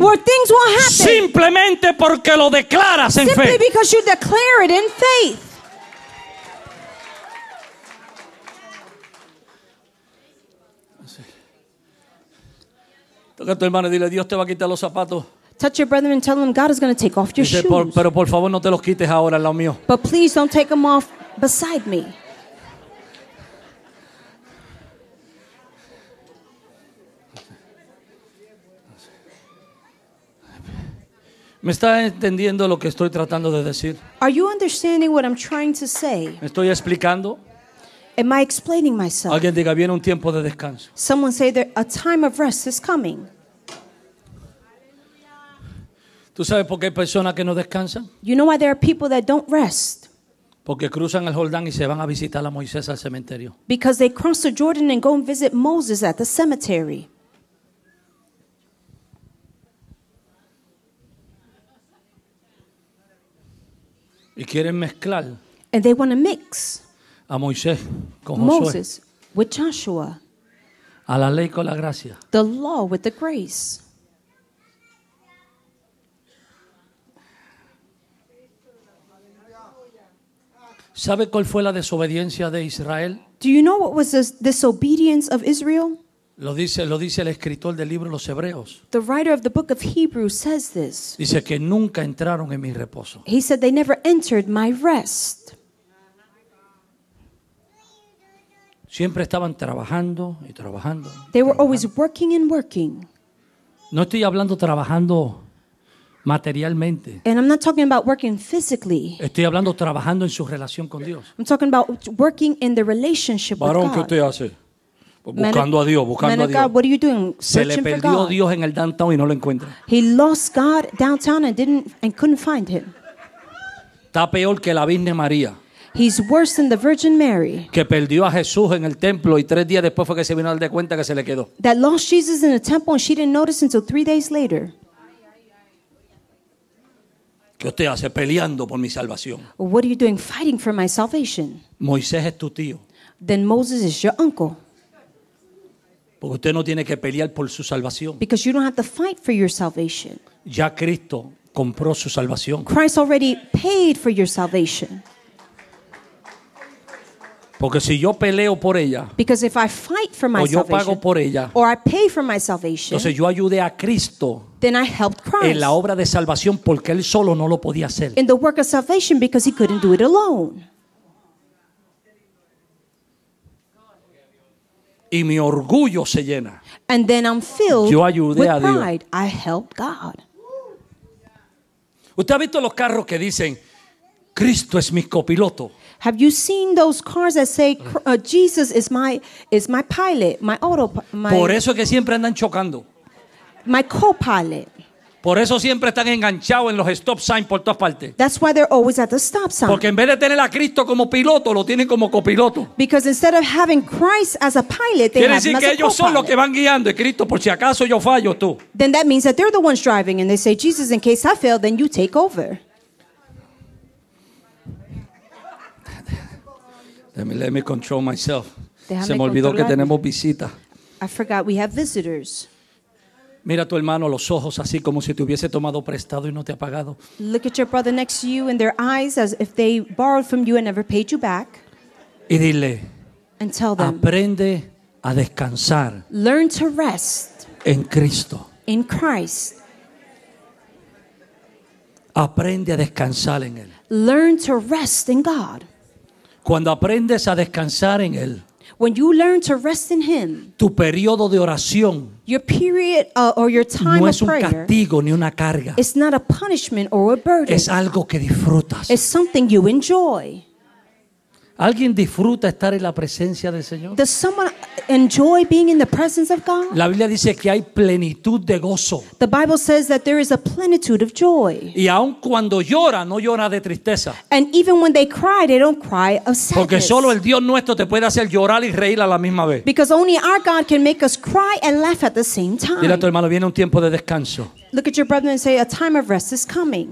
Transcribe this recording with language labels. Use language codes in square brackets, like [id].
[en] where things will happen [es] simplemente porque lo declaras en [en] simply [es] fe. [en] Because you declare it in faith. [es] Toca a tu hermano y dile, Dios te va a quitar los zapatos. [en] Touch your brethren and tell them God is going to take off your [es] dice, [en] shoes. [es] Pero por favor no te los quites ahora al lado mío. [en] But please don't take them off beside me. [es] ¿Me está entendiendo lo que estoy tratando de decir? [en] Are you understanding what I'm trying to say? [es] ¿Me estoy explicando? [en] Am I explaining myself? [es] Alguien diga, viene un tiempo de descanso. [en] Someone say that a time of rest is coming. [es] ¿Tú sabes por qué hay personas que no descansan? [en] You know why there are people that don't rest? [es] Porque cruzan el Jordán y se van a visitar a Moisés al cementerio. [en] Because they cross the Jordan and go and visit Moses at the cemetery. [es] Y quieren mezclar. [en] And they want to mix. [es] A Moisés con [en] Moses [es] Josué. [en] With Joshua. [es] A la ley con la gracia. [en] The law with the grace. [es] ¿Sabe cuál fue la desobediencia de Israel? [en] Do you know what was the disobedience of Israel? [es] Lo dice el escritor del libro Los Hebreos. [en] The writer of the book of Hebrews says this. [es] Dice que nunca entraron en mi reposo. [en] He said they never entered my rest. [es] Siempre estaban trabajando y trabajando. [en] They were always working and working. [es] No estoy hablando trabajando materialmente. [en] And I'm not talking about working physically. [es] Estoy hablando trabajando en su relación con Dios. [en] I'm talking about working in the relationship with God. [es] ¿Varón, qué usted hace? Buscando a Dios, buscando [en] Man of God, [es] a Dios. [en] What are you doing? [es] Se le perdió Dios en el downtown y no lo encuentra. [en] He lost God downtown and couldn't find him. [es] Está peor que la Virgen María. [en] He's worse than the Virgin Mary. [es] Que perdió a Jesús en el templo y tres días después fue que se vino a dar cuenta que se le quedó. [en] That lost Jesus in the temple and she didn't notice until 3 days later. [es] ¿Qué usted hace peleando por mi salvación? [en] What are you doing fighting for my salvation? [es] Moisés es tu tío. [en] Then Moses is your uncle. [es] Porque usted no tiene que pelear por su salvación. [en] Because you don't have to fight for your salvation. [es] Ya Cristo compró su salvación. [en] Christ already paid for your salvation. [es] Porque si yo peleo por ella, [en] because if I fight for my [es] o yo [en] salvation, [es] pago por ella, [en] or I pay for my salvation, [es] entonces yo ayudé a Cristo, [en] then I helped Christ [es] en la obra de salvación porque él solo no lo podía hacer. [en] In the work of salvation because he couldn't do it alone. [es] Y mi orgullo se llena. [en] And then I'm filled [es] yo ayudé [en] with [es] a Dios. [en] Pride. I helped God. [es] ¿Usted ha visto los carros que dicen Cristo es mi copiloto? [en] Have you seen those cars that say Jesus is my pilot, my auto, my. [es] Por eso es que siempre andan chocando. [en] My co-pilot. [es] Por eso siempre están enganchados en los stop signs por todas partes. [en] That's why they're always at the stop sign. [es] Porque en vez de tener a Cristo como piloto, lo tienen como copiloto. [en] Because instead of having Christ as a pilot, they [es] quiere [en] have him as a co-pilot. [es] Quiere decir que ellos son los que van guiando y Cristo por si acaso yo fallo tú. [en] Then that means that they're the ones driving and they say Jesus in case I fail then you take over. Let me control myself. [es] Se me olvidó que tenemos visita. [en] I forgot we have visitors. [es] Mira a tu hermano a los ojos así como si te hubiese tomado prestado y no te ha pagado. [en] Look at your brother next to you in their eyes as if they borrowed from you and never paid you back. [es] Y dile. [en] And tell them. [es] Aprende a descansar. [en] Learn to rest. [es] En Cristo. [en] In Christ. [es] Aprende a descansar en él. [en] Learn to rest in God. [es] Cuando aprendes a descansar en él, [en] when you learn to rest in him, [es] tu periodo de oración, [en] your period or your time [es] no [en] of [es] es un [en] prayer, [es] castigo ni una carga, [en] it's not a punishment or a burden, [es] es algo que disfrutas, [en] it's something you enjoy. [es] ¿Alguien disfruta estar en la presencia del Señor? [en] Does someone enjoy being in the presence of God? [es] La Biblia dice que hay plenitud de gozo. [en] The Bible says that there is a plenitude of joy. [es] Y aun cuando llora, no llora de tristeza. [en] And even when they cry, they don't cry of sadness. [es] Porque solo el Dios nuestro te puede hacer llorar y reír a la misma vez. [en] Because only our God can make us cry and laugh at the same time. [es] Dile a tu hermano, viene un tiempo de descanso. [en] Look at your brother and say, a time of rest is coming.